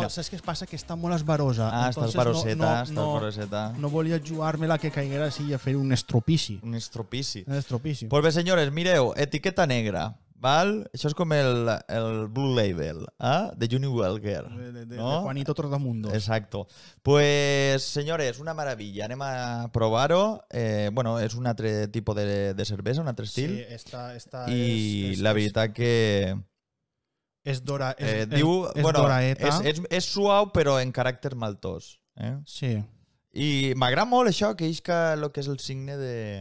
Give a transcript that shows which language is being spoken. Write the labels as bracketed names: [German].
[Catalan] No, saps què es passa? Que està molt esbarosa. Ah, està esbaroseta, està esbaroseta. No volia jugar-me-la que caiguera així i fer un estropici. Un estropici. Un estropici. Pues bé, senyores, mireu, etiqueta negra, val? Això és com el Blue Label, de Johnny Walker. [Spanish] De Juanito Trotamundos. Exacto. Pues, señores, una maravilla. [Catalan] Anem a provar-ho. Bueno, és un altre tipus de cervesa, un altre estil. Sí, esta... i la veritat que... és Dora... diu... bueno, és suau, però en caràcter maltós. Sí. I m'agrada molt això, que isca el que és el signe de...